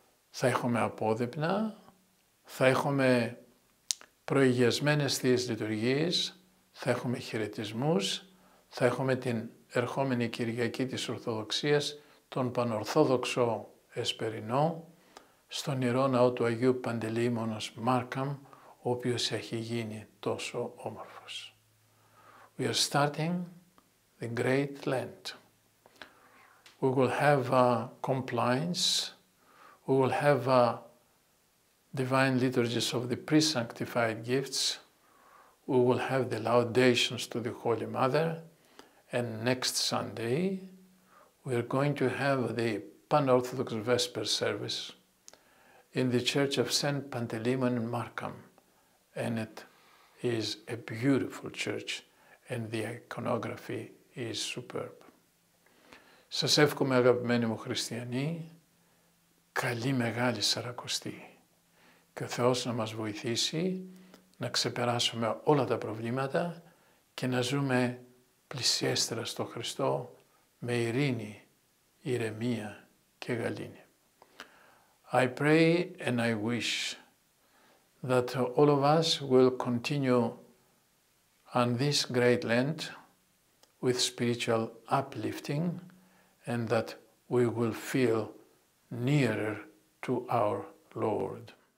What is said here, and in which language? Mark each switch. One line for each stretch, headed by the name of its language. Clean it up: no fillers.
Greek: Θα έχουμε απόδειπνα, θα έχουμε προηγιασμένες θείες λειτουργίες, θα έχουμε χαιρετισμούς, θα έχουμε την ερχόμενη Κυριακή της Ορθοδοξίας τον Πανορθόδοξο Εσπερινό στον Ιερό Ναό του Αγίου Παντελεήμονος Μάρκαμ, ο οποίος έχει γίνει τόσο όμορφος.
English: We are starting the Great Lent. We will have compliance. We will have divine liturgies of the pre-sanctified gifts. We will have the laudations to the Holy Mother. And next Sunday, we are going to have the Pan-Orthodox Vesper service in the Church of Saint Pantelimon in Markham. And it is a beautiful church and the iconography is superb.
Greek: Σας εύχομαι, αγαπημένοι μου χριστιανοί, καλή Μεγάλη Σαρακοστή και ο Θεός να μας βοηθήσει να ξεπεράσουμε όλα τα προβλήματα και να ζούμε πλησιέστερα στο Χριστό με ειρήνη, ηρεμία και γαλήνη.
English: I pray and I wish that all of us will continue on this great Lent with spiritual uplifting and that we will feel nearer to our Lord.